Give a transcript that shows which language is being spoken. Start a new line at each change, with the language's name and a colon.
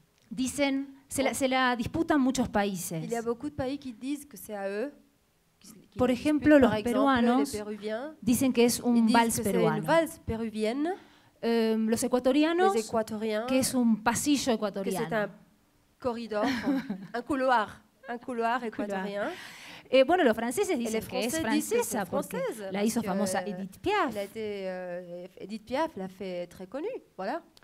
Spanish: Dicen, se la disputan muchos países.
French: Il y a beaucoup de pays qui disent que c'est à eux.
Spanish: Por ejemplo,
French: Par
Spanish: los
French: exemple,
Spanish: peruanos dicen que es un vals peruano.
French: Une valse peruvienne.
Spanish: Los ecuatorianos,
French: les équatoriens,
Spanish: que es un pasillo ecuatoriano.
French: Que c'est un corridor, un couloir équatorien.
Spanish: Et bueno, los franceses dicen que es francesa, porque la hizo famosa Edith Piaf.
French: Edith Piaf l'a fait très connue, voilà.